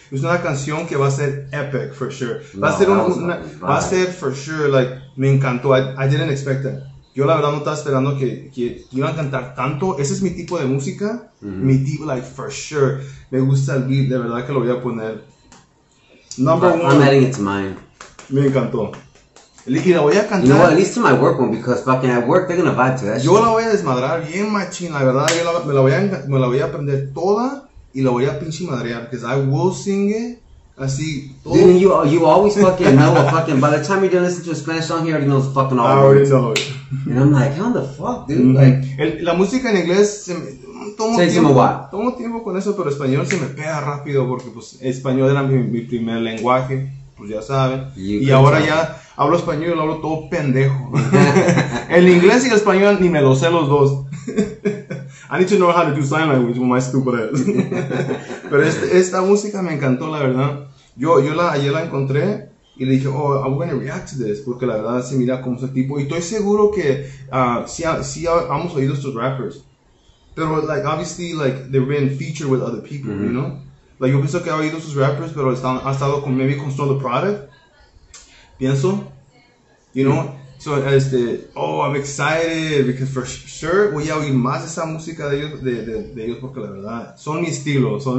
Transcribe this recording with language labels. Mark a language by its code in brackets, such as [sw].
[es] Es una canción que va a ser epic, for sure. Va a ser for sure, like, me encantó. I didn't expect that. Yo la verdad no estaba esperando que iban a cantar tanto. Ese es mi tipo de música. Mm-hmm. Mi tipo, like, for sure. Me gusta el beat, de verdad que lo voy a poner. [en] Number one. I'm adding it to mine. [es] Me encantó. Y la voy a cantar. [en] You know what, at least to my work one, because fucking at work, they're gonna vibe to that shit. [es] Yo la voy a desmadrar bien machín, la verdad. Yo me la voy a aprender toda y la voy a pinche madrear, because I will sing it así todo. [en] Dude, you always fucking know a fucking, by the time you're done listening to a Spanish song, he already knows fucking all I already words. Know it. And I'm like, how the fuck, dude? Mm-hmm. Like, [es] la música en inglés se me... Tomo tiempo con eso, pero español se me pega rápido, porque pues español era mi primer lenguaje. Pues ya saben. Y ahora ya hablo español y lo hablo todo pendejo. El inglés y el español ni me lo sé los dos. [en] I need to know how to do sign language with my stupid ass. [es] Pero esta música me encantó, la verdad. Yo la ayer la encontré y le dije, oh, I'm going to react to this, porque la verdad se mira como ese tipo. Y estoy seguro que sí hemos oído estos rappers. [en] Pero, like, obviously, like, they've been featured with other people, mm-hmm. [es] You know? Like, yo pienso que ha oído sus rappers, pero ha estado con, maybe, con Snow the Product. Pienso. You know? So, I'm excited, because for sure, voy a oír más esa música de ellos, de ellos, porque la verdad, son mi estilo.